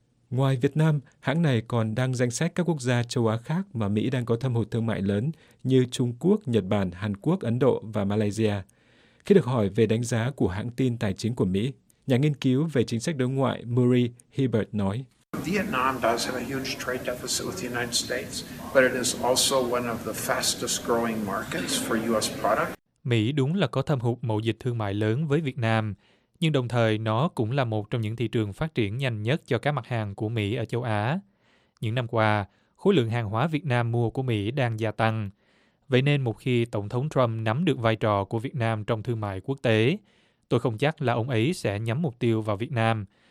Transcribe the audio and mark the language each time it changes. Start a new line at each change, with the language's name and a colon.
Vietnamese: Ngoài Việt Nam, hãng này còn đăng danh sách các quốc gia châu Á khác mà Mỹ đang có thâm hụt thương mại lớn như Trung Quốc, Nhật Bản, Hàn Quốc, Ấn Độ và Malaysia. Khi được hỏi về đánh giá của hãng tin tài chính của Mỹ, nhà nghiên cứu về chính sách đối ngoại Murray Hebert nói,
English: Vietnam does have a huge trade deficit with the United States, but it is also one of the fastest growing markets for US products.
Vietnamese: Mỹ đúng là có thâm hụt mậu dịch thương mại lớn với Việt Nam, nhưng đồng thời nó cũng là một trong những thị trường phát triển nhanh nhất cho các mặt hàng của Mỹ ở châu Á. Những năm qua, khối lượng hàng hóa Việt Nam mua của Mỹ đang gia tăng. Vậy nên một khi Tổng thống Trump nắm được vai trò của Việt Nam trong thương mại quốc tế, tôi không chắc là ông ấy sẽ nhắm mục tiêu vào Việt Nam.